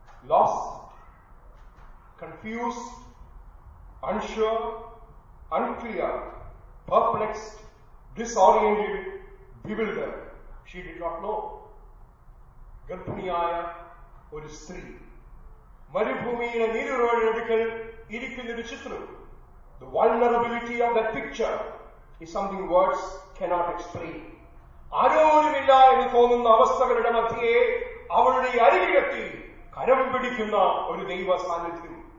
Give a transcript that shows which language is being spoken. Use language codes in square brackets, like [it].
[en] Lost, confused, unsure, unclear, perplexed, disoriented, bewildered. She did not know. [ml] ഗർഭിണിയായ ഒരു സ്ത്രീ, മരുഭൂമിയിലെ നീരുറവയിലടുക്കൽ ഇരിക്കുന്ന ഒരു ചിത്രം. [en] The vulnerability of that picture is something words cannot explain. [ml] ആരോരുമില്ല എന്ന് തോന്നുന്ന അവസ്ഥകളുടെ മധ്യയെ അവളുടെ അരികിലെത്തി കരം പിടിക്കുന്ന ഒരു ദൈവ സാന്നിധ്യം.